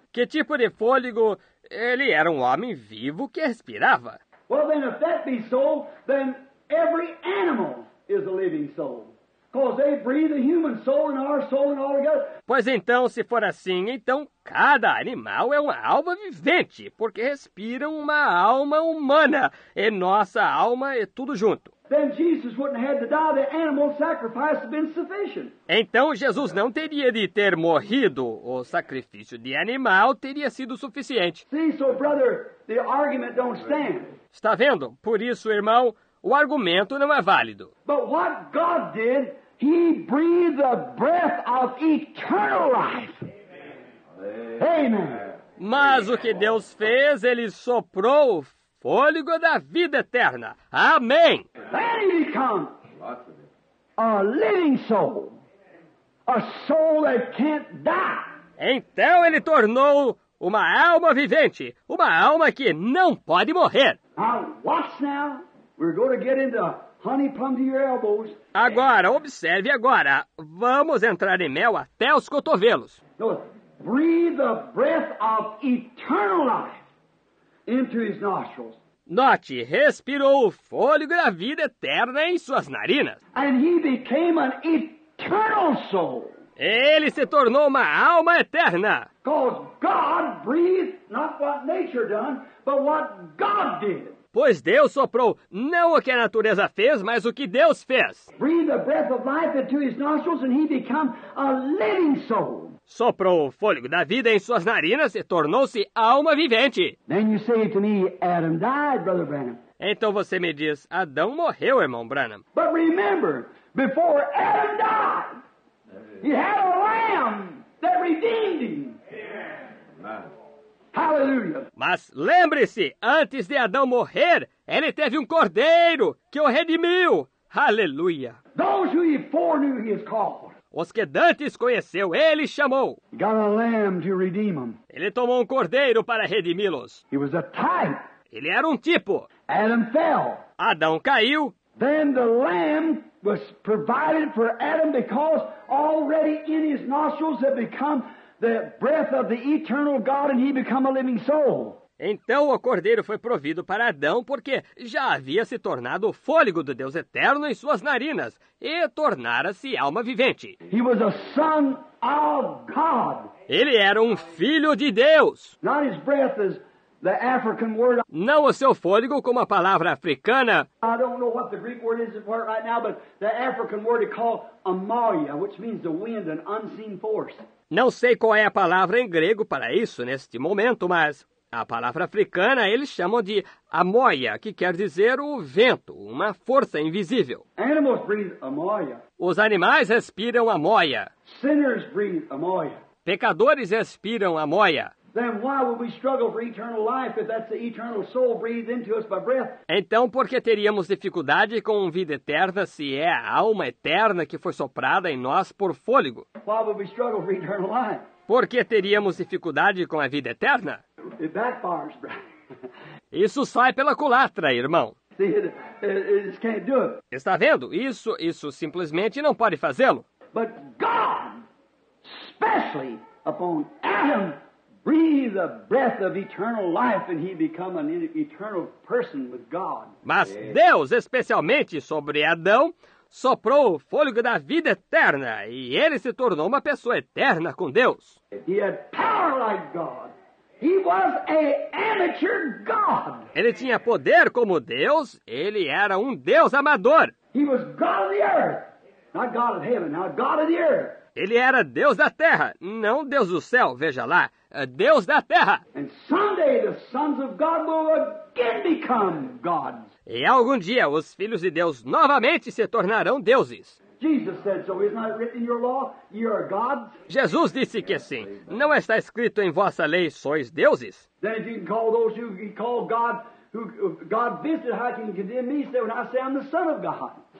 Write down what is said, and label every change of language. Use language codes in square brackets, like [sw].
[pt] Que tipo de fôlego ele era um homem vivo que respirava? [en] Well, then if that be so, then every animal is a living soul. Because they breathe a human soul and our soul and all together. [pt] Pois então, se for assim, então cada animal é uma alma vivente, porque respiram uma alma humana, e nossa alma é tudo junto. [en] Then Jesus wouldn't have to die, the animal sacrifice had been sufficient. [pt] Então Jesus não teria de ter morrido, o sacrifício de animal teria sido suficiente. [en] See, so brother, the argument don't stand. [pt] Está vendo? Por isso, irmão, o argumento não é válido. [en] But what God did, he breathed the breath of eternal life. Amen. [pt] Mas o que Deus fez, ele soprou o fôlego da vida eterna. Amém. [en] Then he becomes lots of it. A living soul. A soul that can't die. [pt] Então ele tornou uma alma vivente, uma alma que não pode morrer. [en] Now, watch now. We're going to get into honey plum to your elbows. [pt] Agora, observe agora. Vamos entrar em mel até os cotovelos. [en] Now, breathe the breath of eternal life into his nostrils. [pt] Note, respirou o fôlego da vida eterna em suas narinas. [en] And he became an eternal soul. [pt] Ele se tornou uma alma eterna. [en] Because God breathed not what nature done, but what God did. [pt] Pois Deus soprou não o que a natureza fez, mas o que Deus fez. [en] Breathe the breath of life into his nostrils and he became a living soul. [pt] Soprou o fôlego da vida em suas narinas e tornou-se alma vivente. [en] Then you say to me, Adam died, Brother Branham. [pt] Então você me diz, Adão morreu, irmão Branham. [en] But remember, before Adam died, he had a lamb that redeemed him. Amen. Hallelujah. [pt] Mas lembre-se, antes de Adão morrer, ele teve um cordeiro que o redimiu. Aleluia. [en] Those who he foreknew, he has called. [pt] Os que dantes conheceu, ele chamou. [en] Got a lamb to redeem them. [pt] Ele tomou um cordeiro para redimi-los. [en] He was a type. [pt] Ele era um tipo. [en] Adam fell. [pt] Adão caiu. [en] Then the lamb was provided for Adam because already in his nostrils had become the breath of the eternal God and he became a living soul. [pt] Então o cordeiro foi provido para Adão porque já havia se tornado o fôlego do Deus eterno em suas narinas e tornara-se alma vivente. [en] He was a son of God. [pt] Ele era um filho de Deus. [en] Not his breath as the African word. [pt] Não o seu fôlego como a palavra africana. [en] I don't know what the Greek word is for it right now, but the African word is called amaia, which means the wind, an unseen force. [pt] Não sei qual é a palavra em grego para isso neste momento, mas a palavra africana eles chamam de amoia, que quer dizer o vento, uma força invisível. [en] Animals breathe amoia. [pt] Os animais respiram amoia. [en] Sinners breathe amoia. [pt] Pecadores respiram amoia. [en] Then why would we struggle for eternal life if that's the eternal soul breathed into us by breath? [pt] Então por que teríamos dificuldade com vida eterna se é a alma eterna que foi soprada em nós por fôlego? [en] Why would we struggle for eternal life? [pt] Por que teríamos dificuldade com a vida eterna? [en] It backfires, brother. [pt] Isso sai pela culatra, irmão. [en] See, it can't do it. [pt] Está vendo? Isso simplesmente não pode fazê-lo. [en] But God, especially upon Adam, breathe the breath of eternal life and he become an eternal person with God. [pt] Mas Deus, especialmente sobre Adão, soprou o fôlego da vida eterna e ele se tornou uma pessoa eterna com Deus. [en] He had power like God. He was an amateur God. [pt] Ele tinha poder como Deus, ele era um Deus amador. [en] He was God of the earth, not God of heaven, not God of the earth. [pt] Ele era Deus da terra, não Deus do céu, veja lá, Deus da terra. [en] And someday the sons of God will again become gods. [pt] E algum dia os filhos de Deus novamente se tornarão deuses. [en] Jesus said so, isn't it written in your law, ye are gods? [pt] Jesus disse que sim, não está escrito em vossa lei, sois deuses? [en] Then if you can call those who he called God, who God visited, how can you condemn me, say, when I say I'm the son of God?